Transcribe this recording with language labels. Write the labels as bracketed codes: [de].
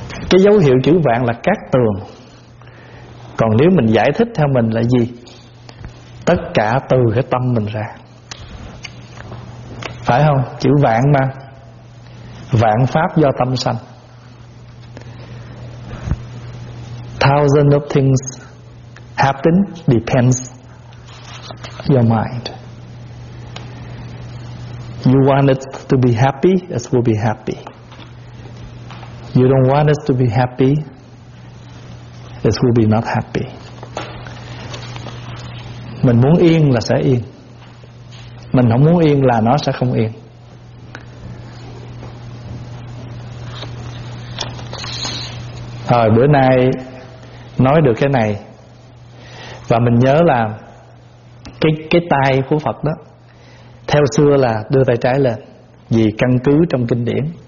[vi] Cái dấu hiệu chữ vạn là cát tường. Còn nếu mình giải thích theo mình là gì? Tất cả từ cái tâm mình ra, phải không? Chữ vạn mà, vạn pháp do tâm sanh. [en] Thousands of things happen depends your mind. You want it to be happy, it will be happy. You don't want it to be happy, it will be not happy. [vi] Mình muốn yên là sẽ yên, mình không muốn yên là nó sẽ không yên. Rồi bữa nay nói được cái này. Và mình nhớ là cái tay của Phật đó, theo xưa là đưa tay trái lên vì căn cứ trong kinh điển.